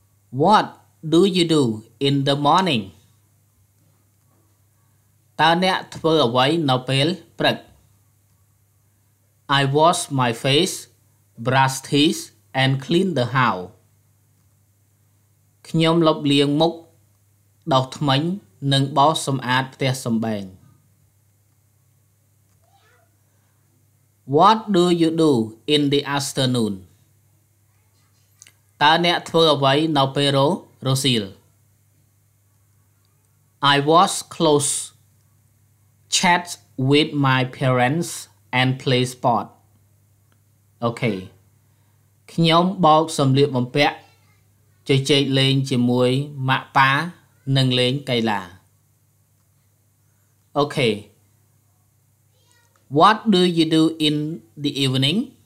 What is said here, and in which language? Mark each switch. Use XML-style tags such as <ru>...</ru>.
<en>What do you do in the morning?</en> <km>តើអ្នកធ្វើអ្វីនៅពេលព្រឹក?</km> <en>I wash my face, brush teeth, and clean the house.</en> <km>ខ្ញុំលុបលាងមុខ ដុសធ្មេញ និងបោសសម្អាតផ្ទះសម្បែង.</km> <en>What do you do in the afternoon?</en> <km>តើអ្នកធ្វើអ្វីនៅពេលរសៀល?</km> <en>I wash clothes, chat with my parents, and play sport. Okay.</en> <km>ខ្ញុំបោកសម្លៀកបំពាក់ជជែកលេងជាមួយម៉ាក់ប៉ានិងលេងកីឡា.</km> <en>Okay. What do you do in the evening?</en>